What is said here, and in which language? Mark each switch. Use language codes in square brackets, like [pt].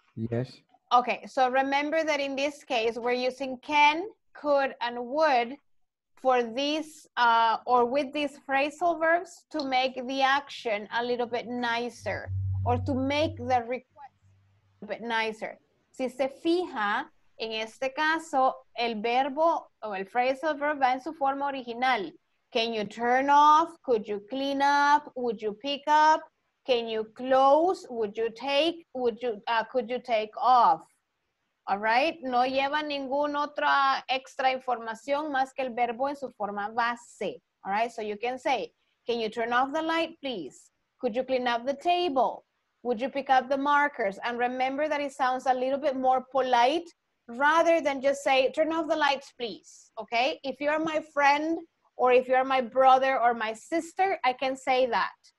[en] Yes. Okay, so remember that in this case, we're using can, could, and would for these, or with these phrasal verbs to make the action a little bit nicer, or to make the request a little bit nicer. [es] Si se fija, en este caso, el verbo o el phrasal verb va en su forma original. [en] Can you turn off? Could you clean up? Would you pick up? Can you close? Would you take? Could you take off? All right? [es] No lleva ninguna otra extra información más que el verbo en su forma base. [en] All right? So you can say, can you turn off the light, please? Could you clean up the table? Would you pick up the markers? And remember that it sounds a little bit more polite rather than just say, turn off the lights, please. Okay? If you're my friend, or if you're my brother or my sister, I can say that.